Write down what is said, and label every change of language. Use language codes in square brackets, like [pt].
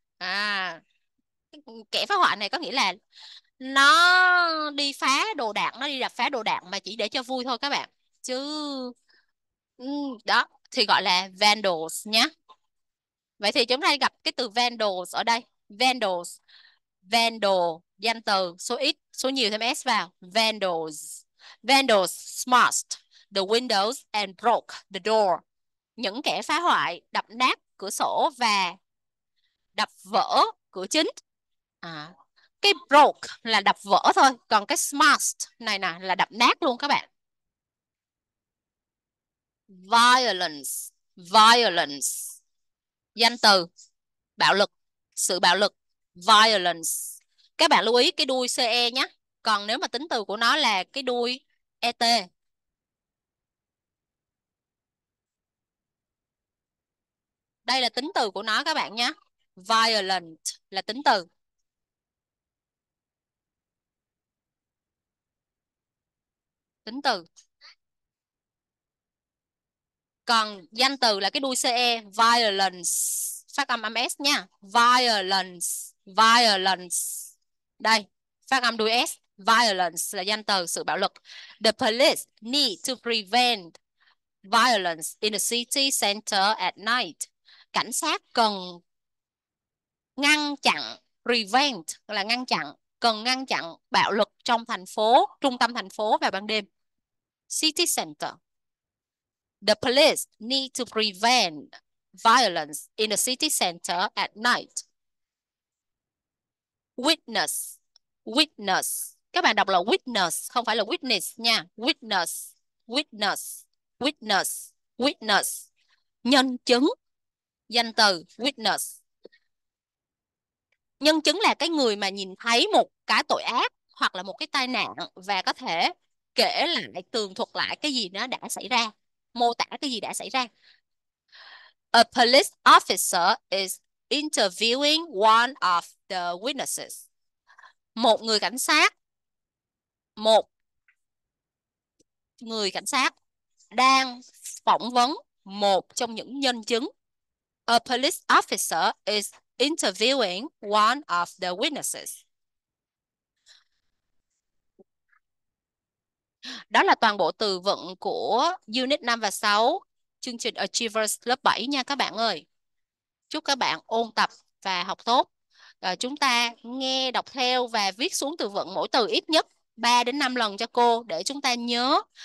[vi] À, kẻ phá hoại này có nghĩa là nó đi phá đồ đạc, nó đi đập phá đồ đạc mà chỉ để cho vui thôi các bạn. Chứ đó thì gọi là vandals nhé. Vậy thì chúng ta gặp cái từ vandals ở đây. Vandals. Vandal danh từ, số ít, số nhiều thêm s vào. Vandals. [en] Vandals smashed the windows and broke the door. [vi] Những kẻ phá hoại đập nát cửa sổ và đập vỡ cửa chính. À, cái broke là đập vỡ thôi, còn cái smashed này nè là đập nát luôn các bạn. Violence, violence danh từ, bạo lực, sự bạo lực. Violence, các bạn lưu ý cái đuôi CE nhé, còn nếu mà tính từ của nó là cái đuôi ET. Đây là tính từ của nó các bạn nhé. Violent là tính từ. Tính từ. Còn danh từ là cái đuôi CE, violence, phát âm S nha. Violence, violence. Đây, phát âm đuôi S, violence là danh từ, sự bạo lực. [en] The police need to prevent violence in the city center at night. [vi] Cảnh sát cần ngăn chặn, prevent là ngăn chặn, cần ngăn chặn bạo lực trong thành phố, trung tâm thành phố vào ban đêm. [en] City center. The police need to prevent violence in the city center at night. Witness. Witness. [vi] Các bạn đọc là witness, không phải là witness nha. [en] Witness. Witness. Witness. Witness. Nhân chứng. [vi] Danh từ witness. Nhân chứng là cái người mà nhìn thấy một cái tội ác hoặc là một cái tai nạn và có thể kể lại, tường thuật lại cái gì nó đã xảy ra, mô tả cái gì đã xảy ra. [en] A police officer is interviewing one of the witnesses. [vi] Một người cảnh sát, một người cảnh sát đang phỏng vấn một trong những nhân chứng. [en] A police officer is interviewing one of the witnesses. [vi] Đó là toàn bộ từ vựng của Unit 5 và 6, chương trình Achievers lớp 7 nha các bạn ơi. Chúc các bạn ôn tập và học tốt. Rồi chúng ta nghe, đọc theo và viết xuống từ vựng mỗi từ ít nhất 3 đến 5 lần cho cô để chúng ta nhớ.